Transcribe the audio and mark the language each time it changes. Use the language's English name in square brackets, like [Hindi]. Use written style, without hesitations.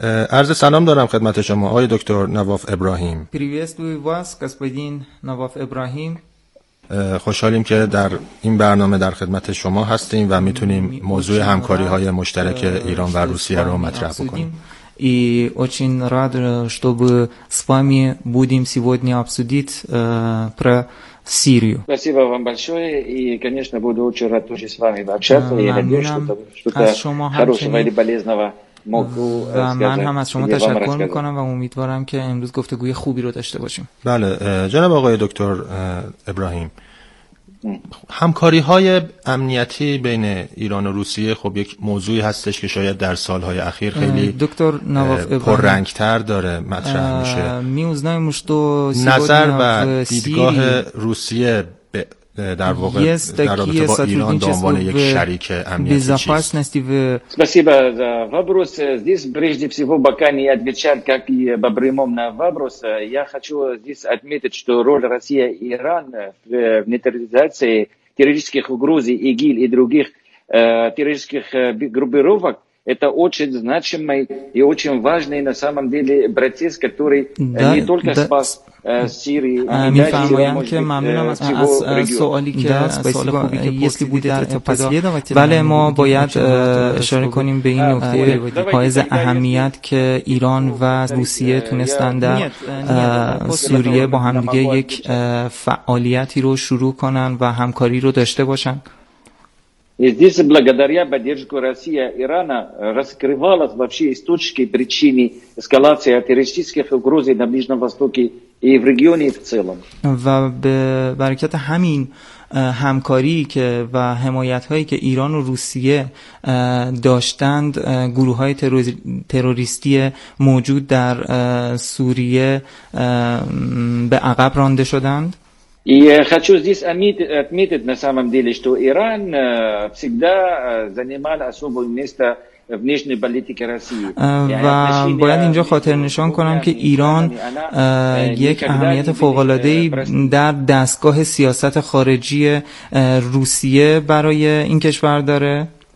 [Persian] عرض سلام دارم خدمت شما آقای دکتر نواف ابراهیم. [Russian] پریویستوی واس گسپدین نواف ابراهیم. [Persian] خوشحالیم که در این برنامه در خدمت شما هستیم و میتونیم موضوع همکاری های مشترک ایران و روسیه رو مطرح بکنیم. [Russian] И очень рад, чтобы с вами будем сегодня обсудить про Сирию. Спасибо вам большое, и, конечно, буду очень рад тоже с вами общаться, и надеюсь, что-то хорошего или полезного [Persian] من هم از شما تشکر میکنم و امیدوارم که امروز گفتگوی خوبی رو داشته باشیم. بله جناب آقای دکتر ابراهیم، همکاری های امنیتی بین ایران و روسیه خب یک موضوعی هستش که شاید در سالهای اخیر خیلی دکتر نواف پررنگتر داره مطرح میشه. نظر و دیدگاه روسیه در واقع در رابطه با ایران به عنوان یک شریک امنیتی چیست؟ [Russian] спасибо за вопрос. Здесь прежде всего пока не отвечать как и по прямому на вопрос. Я хочу здесь отметить, что роль России и Ирана в нейтрализации террористических угроз ИГИЛ и других террористических группировок — это очень значимый и очень важный на самом деле процесс, который не только спас [Persian] میفهمم که ممنونم از سوالی که سوال خوبی که بوده در ابتدا. بله، ما باید اشاره کنیم به این نکته حائز اهمیت که ایران و روسیه تونستن در سوریه با همدیگه یک فعالیتی رو شروع کنن و همکاری رو داشته باشن. [Russian] Здесь благодаря поддержке России и Ирана раскрывалась вообще источники причины эскалации террористических угроз на Ближнем Востоке и в регионе в целом. [Persian] و به برکت همین همکاری که و حمایت‌هایی که ایران و روسیه داشتند، گروه‌های تروریستی موجود در سوریه به عقب رانده شدند. [Russian] И хочу здесь отметить на самом деле, что Иран всегда занимал особое место в внешней политике России. [Persian] باید اینجا خاطر نشان کنم که ایران یک اهمیت فوق‌العاده‌ای در دستگاه سیاست خارجی روسیه برای این کشور داره.